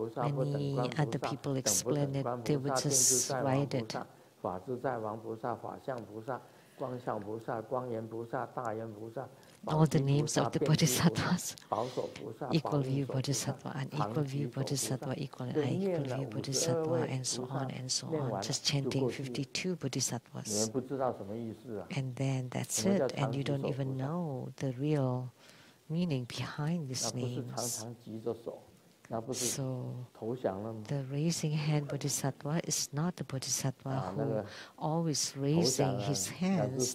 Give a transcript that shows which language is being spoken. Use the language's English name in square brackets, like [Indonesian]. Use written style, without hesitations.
[English] Many other people explain it, they would just write it. [Chinese] 法自在王菩萨、法相菩萨、光相菩萨、光严菩萨、大严菩萨、 [English] All the names of the bodhisattvas, [Chinese] 保守菩萨、 [English] Equal view bodhisattva, unequal view bodhisattva, equal and unequal view bodhisattva, and so on and so on. Just chanting 52 bodhisattvas. [Chinese] 你们不知道什么意思啊 [English] And then that's it, and you don't even know the real. Meaning behind these names. So, the raising hand bodhisattva is not the bodhisattva who always raising his hands.